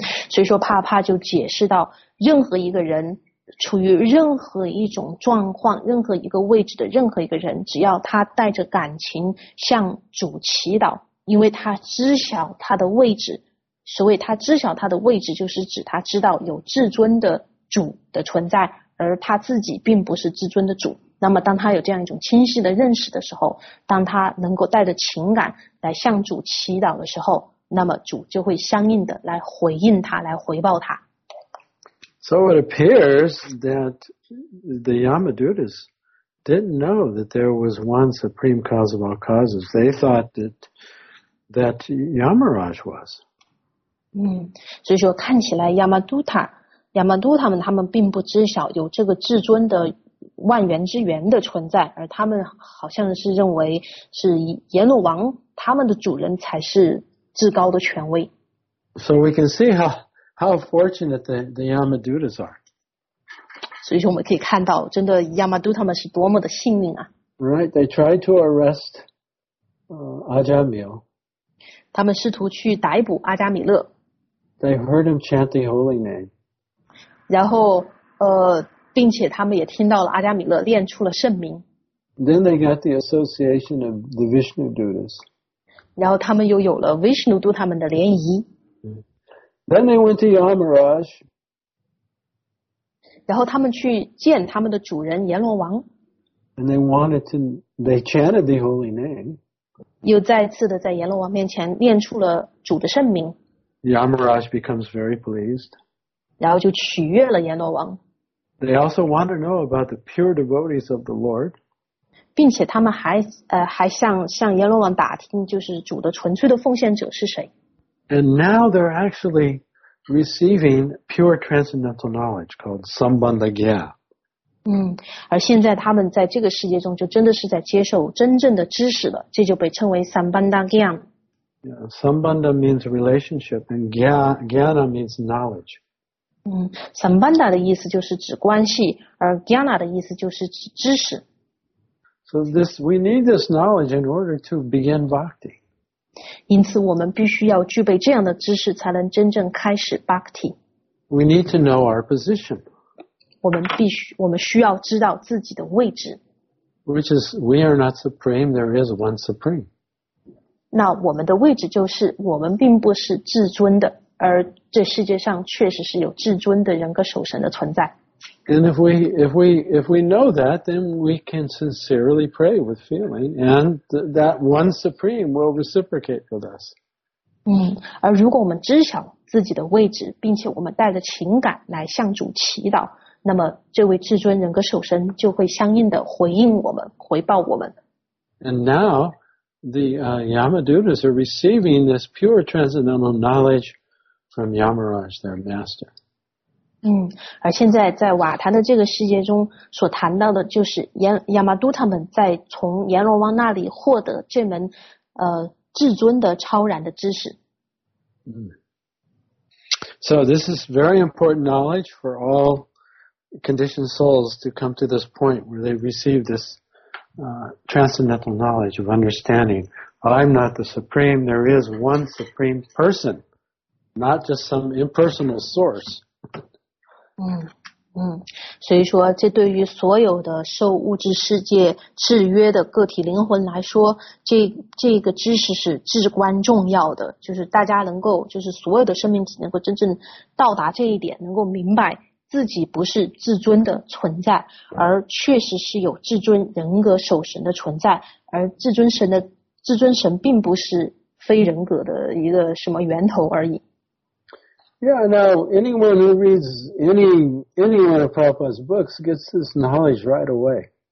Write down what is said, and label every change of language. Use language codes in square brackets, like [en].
[zh] 所以说帕帕就解释到任何一个人处于任何一种状况，任何一个位置的任何一个人，只要他带着感情向主祈祷，因为他知晓他的位置，所谓他知晓他的位置，就是指他知道有至尊的主的存在，而他自己并不是至尊的主。那么当他有这样一种清晰的认识的时候，当他能够带着情感来向主祈祷的时候，那么主就会相应的来回应他，来回报他。 [en] So it appears that the Yamadutas didn't know that there was one supreme cause of all causes. They thought that Yamaraj was. [zh] 所以说看起来亚玛都塔们他们并不知晓有这个至尊的万源之源的存在，而他们好像是认为是阎罗王他们的主人才是至高的权威。 [en] So we can see how fortunate the Yamadutas are. [zh] 所以说我们可以看到真的 Yamaduta 们是多么的幸运啊。 [en] Right, they tried to arrest Ajamil. [zh] 他们试图去逮捕阿加米勒。 [en] They heard him chant the holy name. [zh] 然后并且他们也听到了阿加米勒练出了圣名。 [en] Then they got the association of the Vishnu Dutas. [zh] 然后他们又有了 Vishnu Duta 们的联谊。 [en] Then they went to Yamaraj. [zh] 然后他们去见他们的主人阎罗王。 [en] And they chanted the holy name. [zh] 又再次的在阎罗王面前念出了主的圣名。 [en] Yamaraj becomes very pleased. [zh] 然后就取悦了阎罗王。 [en] They also want to know about the pure devotees of the Lord. [zh] 并且他们还向阎罗王打听，就是主的纯粹的奉献者是谁。 [en] And now they're actually receiving pure transcendental knowledge called Sambandhagya. [zh] 而现在他们在这个世界中就真的是在接受真正的知识了，这就被称为 Sambandhagya. [en] Yeah, Sambandha means relationship, and Jnana means knowledge. [zh] Sambandha 的意思就是指关系，而 Jnana 的意思就是指知识。 [en] So we need this knowledge in order to begin bhakti. [zh] 因此我们必须要具备这样的知识才能真正开始 bhakti. [en] We need to know our position. [zh] 我们需要知道自己的位置。 [en] Which is, we are not supreme, there is one supreme. [zh] 那我们的位置就是我们并不是至尊的，而这世界上确实是有至尊的人格守神的存在。 [en] And if we know that, then we can sincerely pray with feeling, and that one supreme will reciprocate with us. [zh] 而如果我们知晓自己的位置，并且我们带着情感来向主祈祷，那么这位至尊人格守神就会相应的回应我们，回报我们。 [en] And now,The Yamadutas are receiving this pure transcendental knowledge from Yamaraj, their master. [zh] 而现在在瓦坛的这个世界中所谈到的就是Yamaduta们在从阎罗王那里获得这门至尊的超然的知识。 [en] So this is very important knowledge for all conditioned souls to come to this point where they receive thistranscendental knowledge of understanding. I'm not the supreme, there is one supreme person, not just some impersonal source. [zh] 所以说这对于所有的受物质世界制约的个体灵魂来说，这个知识是至关重要的，就是大家能够，就是所有的生命体能够真正到达这一点，能够明白自己不是至尊的存在，而确实是有至尊人格守神的存在，而至尊神并不是非人格的一个什么源头而已。 [en] Yeah, now anyone who reads any one of Prabhupada's books gets this knowledge right away.